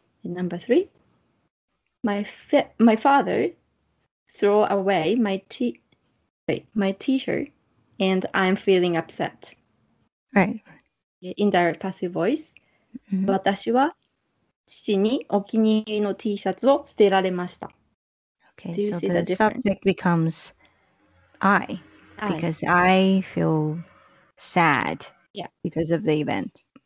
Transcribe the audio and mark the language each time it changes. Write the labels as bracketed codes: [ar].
[en] And number three, my father threw away my T-shirt, and I'm feeling upset. Right. Okay, indirect passive voice. [ja] 私は父にお気に入りのTシャツを捨てられました. [en] Okay, so the subject becomes I, because I feel sad because of the event.